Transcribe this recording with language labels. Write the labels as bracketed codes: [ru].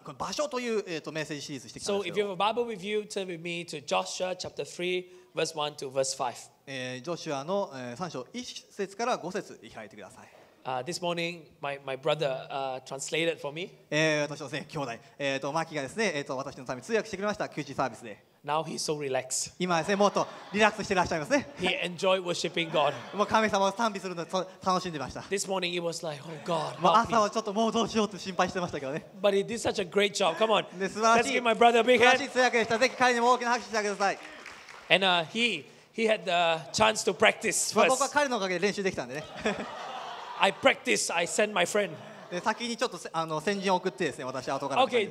[en] So if you have a Bible with you, turn with me to Joshua chapter 3, verse 1 to verse 5. [ja] ジョシュアの3章1節から5節開いてください。 [en] This morning, my brother translated for me. [ja] 私のね兄弟、マーキーがですね、私のために通訳してくれました。救治サービスで。 [en] Now he's so relaxed. [ja] 今ですね、もっとリラックスしてらっしゃいますね。 [en] He enjoyed worshiping God. [ja] もう神様を賛美するの楽しんでました。 [en] This morning it was like, oh God. [ja] もう朝はちょっともうどうしようと心配してましたけどね。 [en] But he did such a great job. Come on. Let's give my brother a big hand. [ja] 素晴らしい通訳でした。ぜひ彼にも大きな拍手してください。 [en] And he had the chance to practice first. [ja] 僕は彼のおかげで練習できたんでね。 [en] I practice, I send my friend. [ja] で、先にちょっと先陣を送ってですね、私後から。Okay,